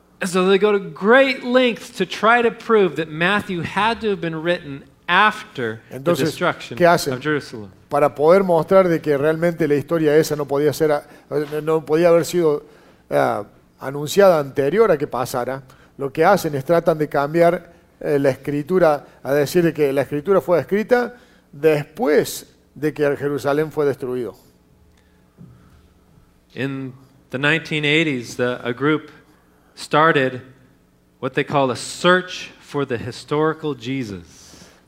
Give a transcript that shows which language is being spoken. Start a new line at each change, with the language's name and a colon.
English: And so they go to great lengths to try to prove that Matthew had to have been written after
Spanish: entonces,
English: the destruction
Spanish: ¿qué hacen?
English: Of Jerusalem.
Spanish: Para poder mostrar de que realmente la historia esa no podía haber sido anunciada anterior a que pasara. Lo que hacen es tratan de cambiar la escritura a decir que la escritura fue escrita después de que Jerusalén fue destruido.
English: In the 1980s, a group started what they call a search for the historical Jesus.